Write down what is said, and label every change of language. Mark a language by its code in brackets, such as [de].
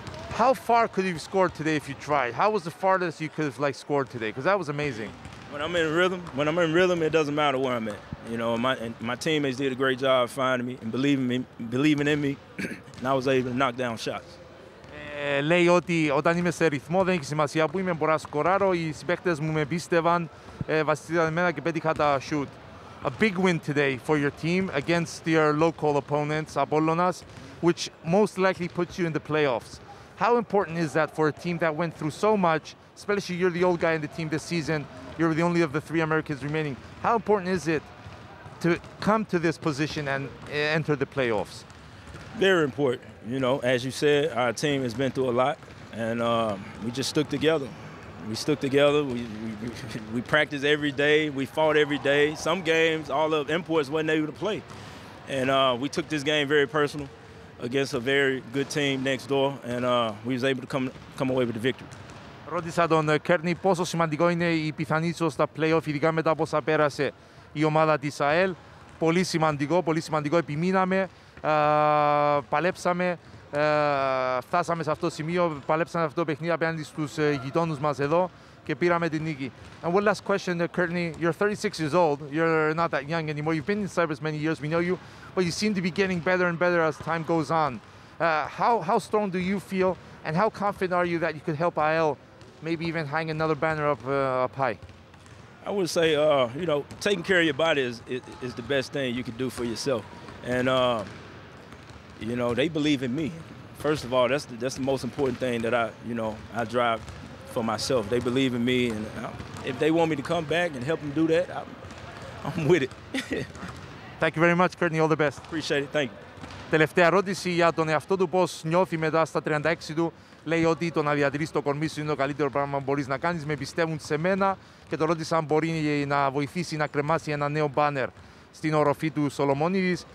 [en] How far could you have scored today if you tried? How was the farthest you could have like scored today? Because that was amazing. When I'm in rhythm, it doesn't matter where I'm at. You know, my teammates did a great job of finding me and believing in me, and I was able to knock down shots. [el] Λέει ότι όταν είμαι σε ρυθμό δεν έχει σημασία που είμαι, μπορώ να σκοράρω. Οι συμπαίκτες μου με πίστευαν, βασίστηκαν εμένα και πέτυχα τα shoot. [en] A big win today for your team against your local opponents, Απόλλωνας, which most likely puts you in the playoffs. How important is that for a team that went through so much, especially you're the old guy in the team this season, you're the only of the three Americans remaining. How important is it to come to this position and enter the playoffs? Very important. You know, as you said, our team has been through a lot, and we just stuck together. We stuck together. We practiced every day. We fought every day. Some games, all of imports wasn't able to play. And we took this game very personal against a very good team next door, and we was able to come away with the victory. [el] Ρώτησα τον Κέρνι πόσο σημαντικό είναι η πιθανή ίσως στα play-off, ειδικά μετά από όσα πέρασε η ομάδα της ΑΕΛ. Πολύ σημαντικό, πολύ σημαντικό. Επιμείναμε, παλέψαμε, φτάσαμε σε αυτό το σημείο, παλέψαμε αυτό το παιχνίδι απέναντι στους γειτόνους μας εδώ και πήραμε την νίκη. [en] And one last question, Κέρνι. You're 36 years old. You're not that young anymore. You've been in Cyprus many years, we know you. But you seem to be getting better and better as time goes on. How strong do you feel? And how confident are you that you could help AL maybe even hang another banner up high? I would say, you know, taking care of your body is the best thing you could do for yourself. And, you know, they believe in me. First of all, that's the most important thing that I drive for myself. They believe in me. And if they want me to come back and help them do that, I'm with it. Thank you very much, Courtney. All the best. Appreciate it. Thank you. [el] Τελευταία ερώτηση για τον εαυτό του, πώς νιώθει μετά στα 36 του. Λέει ότι το να διατηρείς το κορμί σου είναι το καλύτερο πράγμα που μπορείς να κάνεις. Με πιστεύουν σε μένα και το ρώτησα αν μπορεί να βοηθήσει να κρεμάσει ένα νέο μπάνερ στην οροφή του Σολομόνιδης.